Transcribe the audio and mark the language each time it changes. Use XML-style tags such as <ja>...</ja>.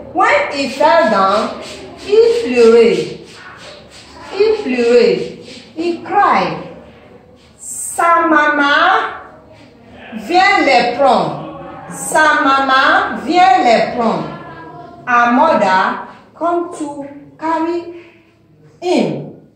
<en>When he fell down, he</en> <fr>pleurait.</fr> <en>He</en> <fr>pleurait.</fr> <en>He cried.</en> <fr>Sa maman vient le prendre. Sa maman vient le prendre.</fr> <en>A mother come to carry him.</en>